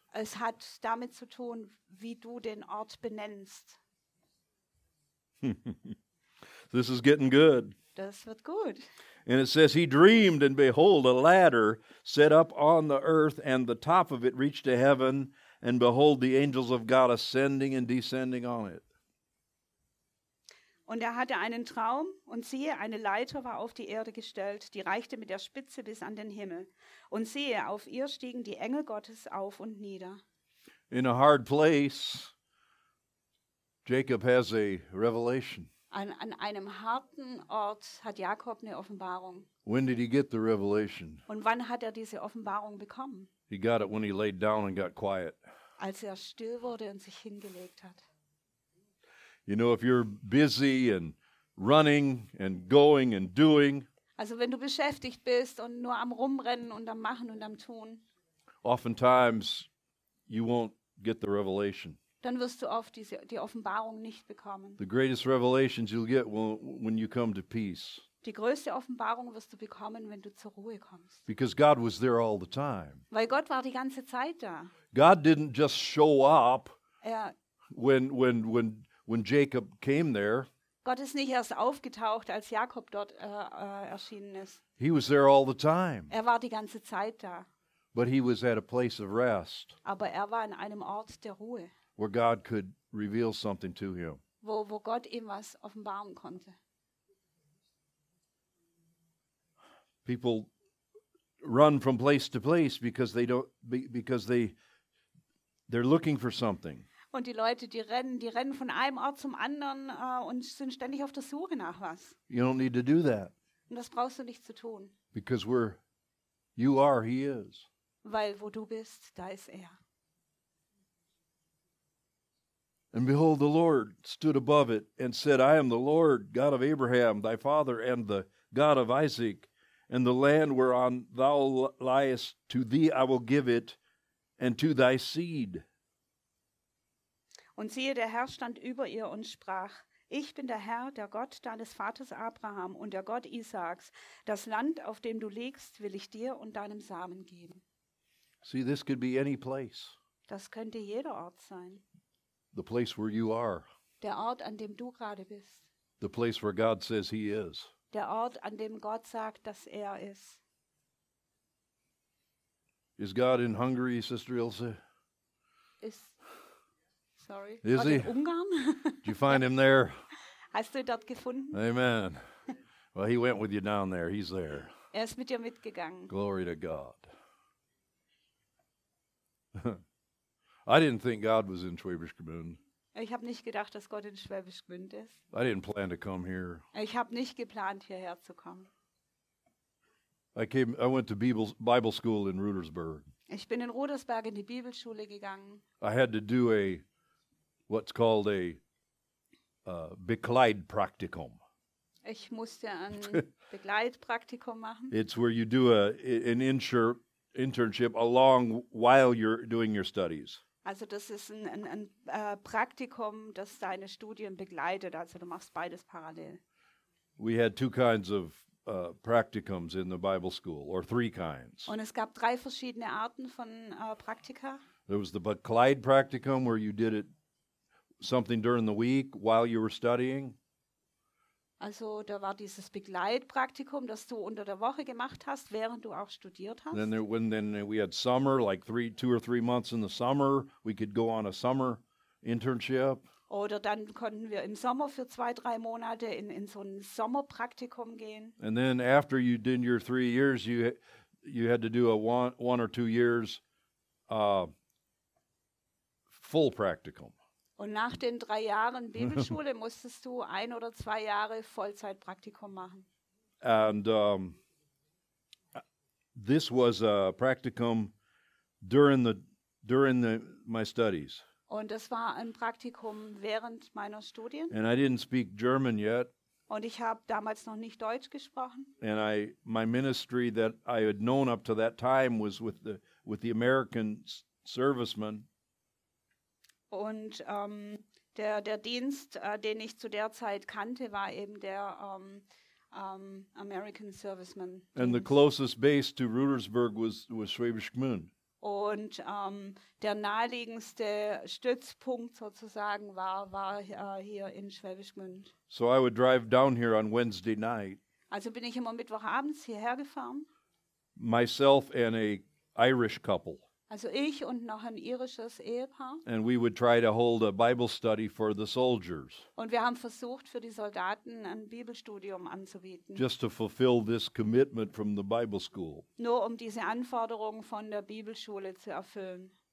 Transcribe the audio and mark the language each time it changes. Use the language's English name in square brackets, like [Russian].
[German] Es hat damit zu tun, wie du den Ort benennst. [English] This is getting good. [German] Das wird gut. [English] And it says, he dreamed, and behold, a ladder set up on the earth, and the top of it reached to heaven, and behold, the angels of God ascending and descending on it. [German] Und er hatte einen Traum, und siehe, eine Leiter war auf die Erde gestellt, die reichte mit der Spitze bis an den Himmel. Und siehe, auf ihr stiegen die Engel Gottes auf und nieder. [English] In a hard place, Jacob has a revelation. [German] An einem harten Ort hat Jakob eine Offenbarung. [English] When did he get the revelation? [German] Und wann hat er diese Offenbarung bekommen? [English] He got it when he laid down and got quiet. [German] Als er still wurde und sich hingelegt hat. [English] You know, if you're busy and running and going and doing, [German] also wenn du beschäftigt bist und nur am Rumrennen und am Machen und am Tun, [English] oftentimes you won't get the revelation. [German] dann wirst du oft diese, die Offenbarung nicht bekommen. [English] The greatest revelations you'll get when you come to peace. [German] Die größte Offenbarung wirst du bekommen, wenn du zur Ruhe kommst. [English] Because God was there all the time. [German] Weil Gott war die ganze Zeit da. [English] God didn't just show up when Jacob came there. [German] Gott ist nicht erst aufgetaucht, als Jakob dort erschienen ist. [English] He was there all the time. [German] Er war die ganze Zeit da. [English] But he was at a place of rest. [German] Aber er war an einem Ort der Ruhe. [English] Where God could reveal something to him. [German] Wo Gott ihm was offenbaren konnte. [English] People run from place to place because they don't because they're looking for something. [German] Und die Leute, die rennen von einem Ort zum anderen und sind ständig auf der Suche nach was. [English] You don't need to do that. [German] Und das brauchst du nicht zu tun. [English] Because where you are, he is. [German] Weil wo du bist, da ist er. [English] And behold, the Lord stood above it and said, I am the Lord, God of Abraham, thy father, and the God of Isaac. And the land whereon thou liest, to thee I will give it, and to thy seed. [German] Und siehe, der Herr stand über ihr und sprach, ich bin der Herr, der Gott deines Vaters Abraham und der Gott Isaaks. Das Land, auf dem du liegst, will ich dir und deinem Samen geben. [English] See, this could be any place. [German] Das könnte jeder Ort sein. [English] The place where you are. [German] Der Ort, an dem du gerade bist. [English] The place where God says he is. [German] Der Ort, an dem Gott sagt, dass er ist. [English] Is God in Hungary, Sister Ilse? [German] Is Gott he? In Ungarn? [English] Did you find him there? [German] Hast du ihn dort gefunden? [English] Amen. Well, he went with you down there. He's there. [German] Er ist mit dir mitgegangen. [English] Glory to God. I didn't think God was in Schwäbisch Gmünd. [German] Ich habe nicht gedacht, dass Gott in Schwäbisch Gmünd ist. [English] I didn't plan to come here. [German] Ich habe nicht geplant, hierher zu kommen. [English] I went to Bible school in Rudersburg. [German] Ich bin in Rudersburg in die Bibelschule gegangen. [English] I had to do what's called a Begleitpraktikum. [German] Ich musste ein Begleitpraktikum machen. [English] It's where you do an internship along while you're doing your studies. [German] Also das ist ein Praktikum, das deine Studien begleitet. Also du machst beides parallel. [English] We had two kinds of practicums in the Bible school, or three kinds. [German] Und es gab drei verschiedene Arten von Praktika. [English] There was the Bekleid practicum, where you did it something during the week while you were studying. [German] Also da war dieses Begleitpraktikum, das du unter der Woche gemacht hast, während du auch studiert hast. [English] Then we had summer, like two or three months in the summer, we could go on a summer internship. [German] Oder dann konnten wir im Sommer für 2-3 Monate in so ein Sommerpraktikum gehen. [English] And then after you did your 3 years, you had to do a one or two years full practicum. [German] Und nach den 3 Jahren Bibelschule musstest du 1 oder 2 Jahre Vollzeitpraktikum machen. [English] And this was a practicum during my studies. [German] Und das war ein Praktikum während meiner Studien. [English] And I didn't speak German yet. [German] Und ich habe damals noch nicht Deutsch gesprochen. [English] And my ministry that I had known up to that time was with the American servicemen. [German] Und der Dienst, den ich zu der Zeit kannte, war eben der [English] American Serviceman. And the closest base to Rudersburg was Schwäbisch Gmünd. [German] Und der naheliegendste Stützpunkt sozusagen war hier in Schwäbisch Gmünd. [English] So I would drive down here on Wednesday night. [German] Also bin ich immer Mittwochabends hierher gefahren. [English] Myself and a Irish couple. [German] Also ich und noch ein irisches Ehepaar. [English] And we would try to hold a Bible study for the soldiers. [German] Und wir haben versucht, für die Soldaten ein Bibelstudium anzubieten. [English] Just to fulfill this commitment from the Bible school. [German] Nur um diese Anforderungen von der Bibelschule zu erfüllen.